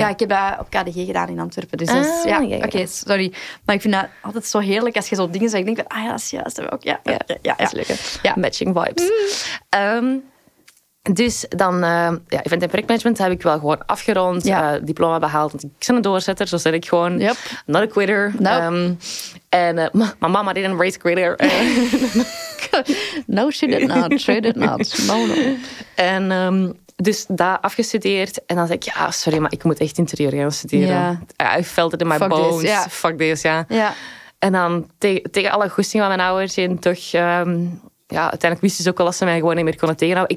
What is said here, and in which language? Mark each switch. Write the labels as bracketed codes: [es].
[nl] Ja, ik heb dat op KDG gedaan in Antwerpen. Dus sorry. Maar ik vind dat altijd zo heerlijk als je zo dingen zegt. Ik denk van, ja, dat is juist. Dat ook. Ja, ja, ja, ja, dat is leuk. Ja. Matching vibes. Dus dan, event en projectmanagement heb ik wel gewoon afgerond. Ja. Diploma behaald, want ik ben een doorzetter, zo zeg ik gewoon. [en] Yep. Not a quitter. Nope. En mama didn't raise a quitter. No, she did not. She did not. No. [nl] En dus daar afgestudeerd. En dan zeg ik, ja, sorry, maar ik moet echt interieur gaan studeren. [en] Yeah. I felt it in my Fuck bones. This, yeah. Fuck this, ja. Yeah. [nl] En dan tegen alle goesting van mijn ouders in toch... ja, uiteindelijk wisten ze ook wel dat ze mij gewoon niet meer konden tegenhouden.